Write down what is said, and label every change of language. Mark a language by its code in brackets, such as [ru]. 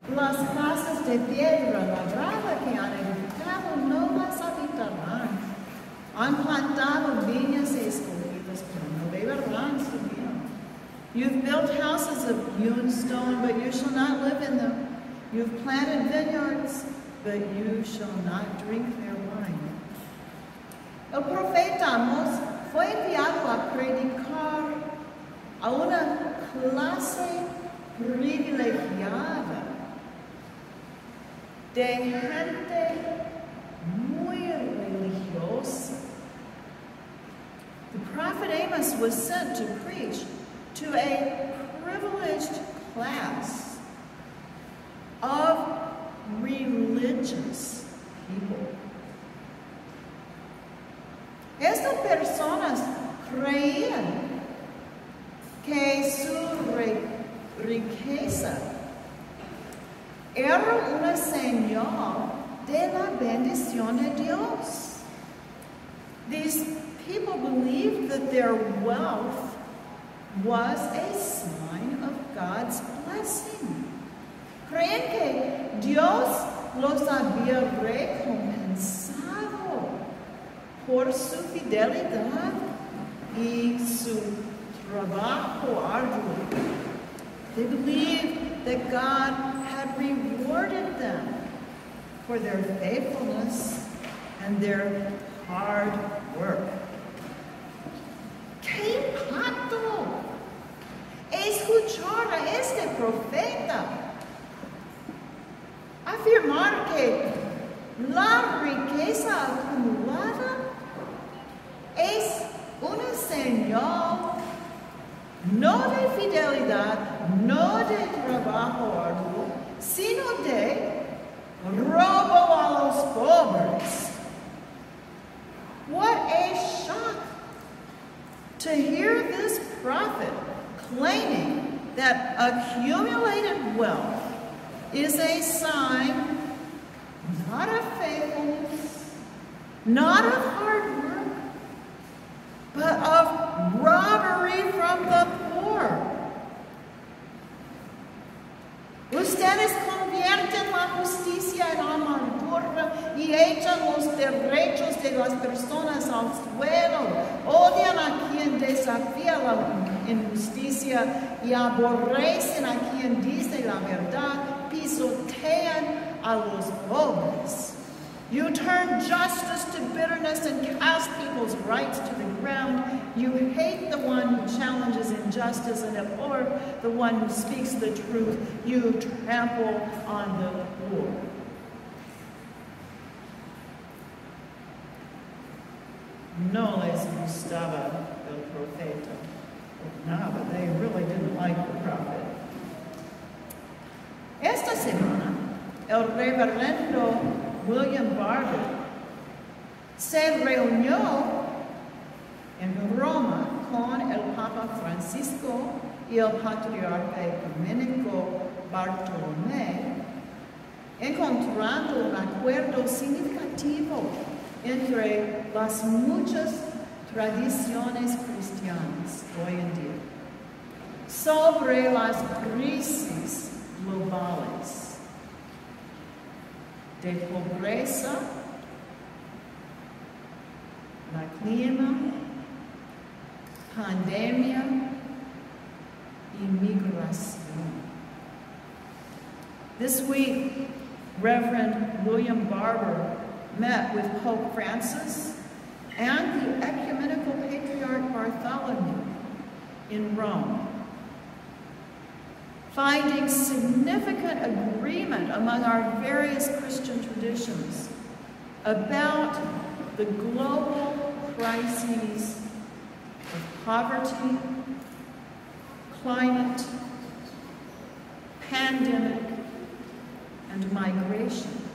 [es] de piedra labrada que han edificado no las habitarán. Han plantado viñas escogidas, pero no beberán su vino. [en] You've built houses of hewn stone, but you shall not live in them. You've planted vineyards, but you shall not drink their wine. [es] El profeta Amos fue enviado a predicar a una clase privilegiada de gente muy religiosa. [en] The prophet Amos was sent to preach to a privileged class of religious people. [es] Estas personas creían que su riqueza era una señal de la bendición de Dios. [en] These people believed that their wealth was a sign of God's blessing. [es] Creen que Dios los había recompensado por su fidelidad y su trabajo arduo. [en] They believed that God had rewarded them for their faithfulness and their hard work. [es] ¡Qué impacto! Escuchar a este profeta afirmar que la riqueza acumulada es una señal no de fidelidad, no de trabajo arduo, sino de robo a los pobres. [en] What a shock to hear this prophet claiming that accumulated wealth is a sign not of faithfulness, not of hard work, but of robbery from the poor. [es] Ustedes convierten la justicia en amargura y echan los derechos de las personas al suelo. Odian a quien desafía la injusticia y aborrecen a quien dice la verdad. Pisotean a los pobres. [en] You turn justice to bitterness and cast people's rights to the ground. You hate the one who challenges injustice and abhor the one who speaks the truth. You trample on the poor. [es] No les gustaba el profeta. [en] No, but they really didn't like the prophet. [es] Esta semana, el reverendo William Barber se reunió en Roma con el Papa Francisco y el Patriarca Domenico Bartolomé, encontrando un acuerdo significativo entre las muchas tradiciones cristianas hoy en día sobre las crisis globales de pobreza, la clima, pandemia y migración. [en] This week, Reverend William Barber met with Pope Francis and the Ecumenical Patriarch Bartholomew in Rome, finding significant agreement among our various Christian traditions about the global crises of poverty, climate, pandemic, and migration.